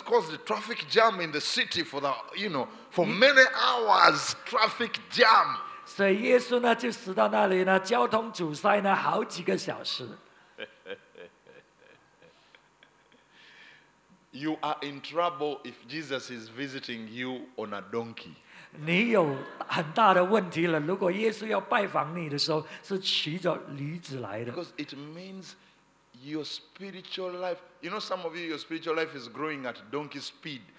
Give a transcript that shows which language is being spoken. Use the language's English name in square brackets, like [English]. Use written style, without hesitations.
[English] caused a traffic jam in the city for the, you know, for many hours traffic jam. [Chinese] 所以耶稣呢就死到那里呢，交通阻塞呢好几个小时。 [English] You are in trouble if Jesus is visiting you on a donkey. [Chinese] 你有很大的问题了，如果耶稣要拜访你的时候，是骑着驴子来的。 [English] Because it means your spiritual life, you know, some of you, your spiritual life is growing at donkey speed.